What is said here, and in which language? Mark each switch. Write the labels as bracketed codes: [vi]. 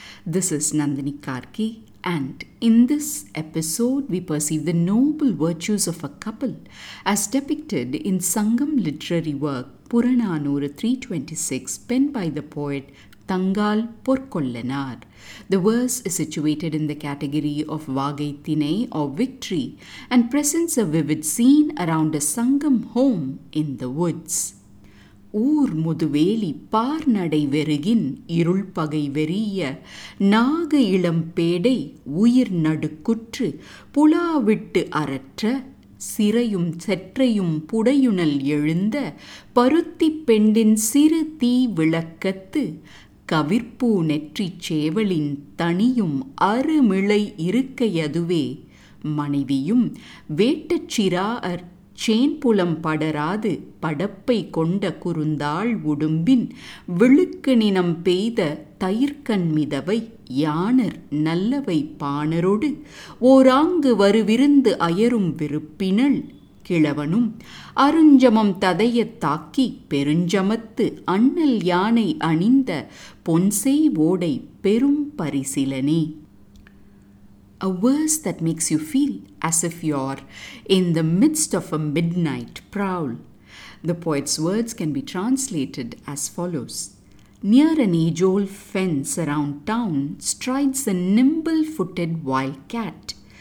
[en] This is Nandini Karki, and in this episode we perceive the noble virtues of a couple as depicted in Sangam literary work Puranaanooru 326 penned by the poet Thangaal Porkollanaar. The verse is situated in the category of Vaagai Thinai or victory and presents a vivid scene around a Sangam home in the woods. [ta] ஊர் முதுவேலி பார் நடை வெருகின் இருள் பகை வெறிய நாக இளம் பேடை உயிர் நடுக்குற்று புலாவிட்டு அறற்ற சிறையும் செற்றையும் புடையுணல் எழுந்த பருத்தி பெண்டின் சிறு தீ விளக்கத்து கவிர்ப்பூ நெற்றிச் சேவலின் தனியும் அருமிளை இருக்கையதுவே மனைவியும் வேட்டச் சிறார் சேன்புலம் படராது படப்பை கொண்ட குறுந்தாள் உடும்பின் விழுக்கு நினம் பெய்த தயிர்கண் மிதவை யானர் நல்லவை பாணரொடு ஓராங்கு வருவிருந்து அயரும் விருப்பினள் கிழவனும் அருஞ்சமம் ததைய தாக்கி பெருஞ்சமத்து அண்ணல் யானை அணிந்த பொன்செய் ஓடை பெரும் பரிசிலனே. [en] A verse that makes you feel as if you're in the midst of a midnight prowl. The poet's words can be translated as follows. Near an age-old fence around town strides a nimble-footed wildcat.